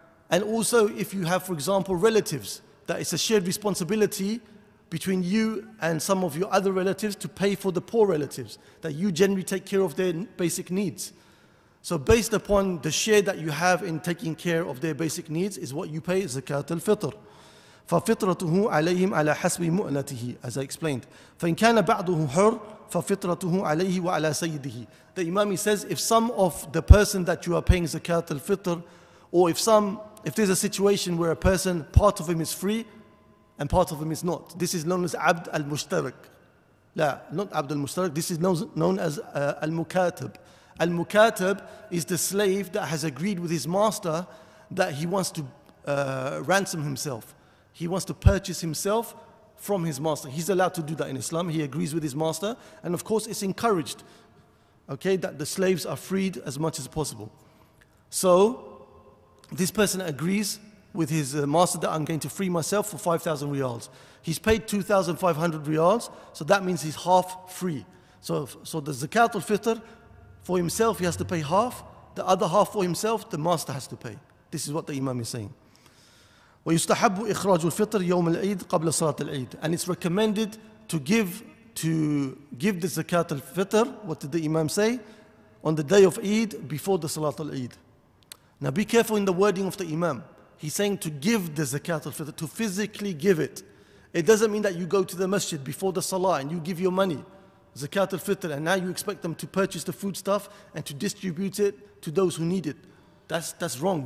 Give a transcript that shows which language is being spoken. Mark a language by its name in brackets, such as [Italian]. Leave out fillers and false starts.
[English] And also, if you have, for example, relatives, that it's a shared responsibility between you and some of your other relatives to pay for the poor relatives, that you generally take care of their basic needs. So based upon the share that you have in taking care of their basic needs is what you pay, Zakat al-Fitr. [Arabic] ففطرته عليهم على حسب مؤنته, [English] as I explained. [Arabic] فإن كان بعضه حر ففطرته عليه وعلى سيده. [English] The Imam says, if some of the person that you are paying zakat al-fitr, or if there's a situation where a person, part of him is free and part of him is not, this is known as abd al-mushtarak. La, not abd al-mushtarak, this is known as al-mukatib. Al-mukatib is the slave that has agreed with his master that he wants to ransom himself. He wants to purchase himself from his master. He's allowed to do that in Islam. He agrees with his master. And of course, it's encouraged, okay, that the slaves are freed as much as possible. So this person agrees with his master that I'm going to free myself for 5,000 riyals. He's paid 2,500 riyals, so that means he's half free. So the zakat al-fitr, for himself, he has to pay half. The other half for himself, the master has to pay. This is what the Imam is saying. [Arabic] ويستحب إخراج الفطر يوم العيد قبل صلاة العيد. [English] And it's recommended to give the zakat al-fitr, what did the Imam say, on the day of Eid before the Salat al-Eid. Now be careful in the wording of the Imam. He's saying to give the zakat al-fitr, to physically give it. It doesn't mean that you go to the masjid before the salah and you give your money, zakat al-fitr, and now you expect them to purchase the foodstuff and to distribute it to those who need it. That's wrong.